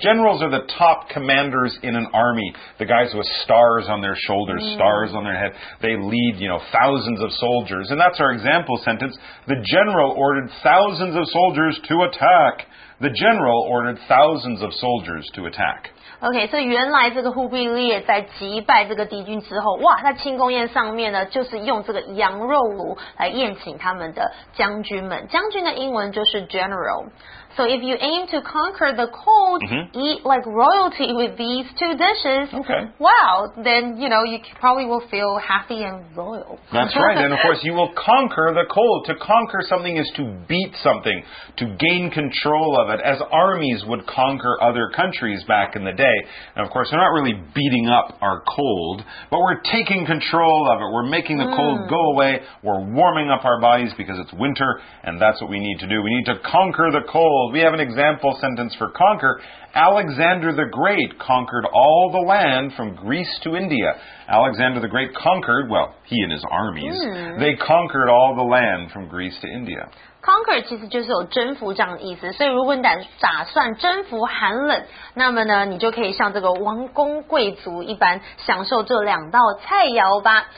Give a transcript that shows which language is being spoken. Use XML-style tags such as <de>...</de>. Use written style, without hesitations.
<en>Generals are the top commanders in an army. The guys with stars on their shoulders, stars on their head. They lead, you know, thousands of soldiers. And that's our example sentence. The general ordered thousands of soldiers to attack. The general ordered thousands of soldiers to attack.</en> <zh>Okay, so 原来这个忽必烈在击败这个敌军之后，哇，在庆功宴上面呢，就是用这个羊肉炉来宴请他们的将军们。将军的英文就是 general。</zh> <en>So if you aim to conquer the cold, eat like royalty with these two dishes. Okay. Wow, then, you know, you probably will feel happy and royal. That's right. And of course, you will conquer the cold. To conquer something is to beat something, to gain control of it, as armies would conquer other countries back in the day. And of course, we're not really beating up our cold, but we're taking control of it. We're making the cold go away. We're warming up our bodies because it's winter, and that's what we need to do. We need to conquer the cold. We have an example sentence for conquer. Alexander the Great conquered all the land from Greece to India. Alexander the Great conquered, well, he and his armies, they conquered all the land from Greece to India.</en> <zh>Conquer 其实就是有征服这样的意思，所以如果你打算征服寒冷，那么呢，你就可以像这个王公贵族一般享受这两道菜肴吧。</zh>